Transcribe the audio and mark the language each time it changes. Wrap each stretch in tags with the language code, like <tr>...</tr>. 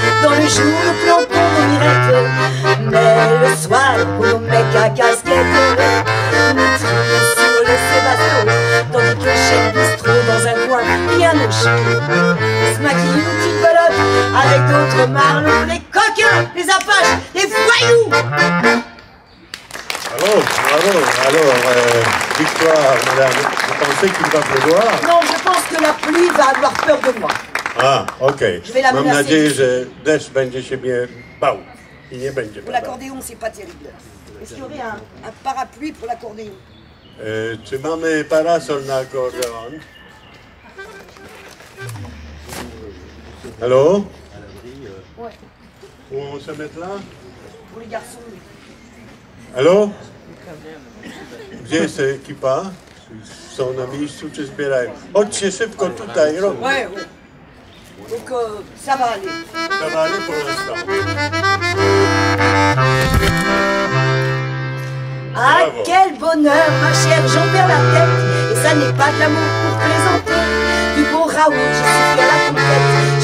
<fr>Dans le jour, nous plantons nos mirettes, mais le soir, pour nos mecs à casquette, nous trimons sur le sébasto, tandis que chez le bistrot, dans un coin bien au chaud, se maquille une petite pelote avec d'autres marlons, les coquins, les apaches, les voyous. Bravo, alors, victoire, madame. Vous pensez qu'il va pleuvoir? Non, je pense que la pluie va avoir peur de moi. Ah, ok. Je vais la menacer.</fr> <pl>Mam nadzieję, że deszcz będzie się mnie bał. I nie będzie.</pl> <fr>Pour l'accordéon, c'est pas terrible. Est-ce qu'il y aurait un parapluie pour l'accordéon?</fr> <pl>Czy mamy parasol na accordéon?</pl> <fr>Allô? Ouais. Où on se met là? Pour les garçons, oui.</fr> <pl>Allô? Gdzie jest ekipa? Są na miejscu czy zbierają? Chodźcie szybko tutaj, robię.</pl> <fr>Ouais, donc ça va aller. Ça va aller pour l'instant. Ah, quel bonheur, ma chère, j'en perds la tête. Et ça n'est pas de l'amour pour plaisanter. Du beau bon Raoul, je suis à la compète.</fr>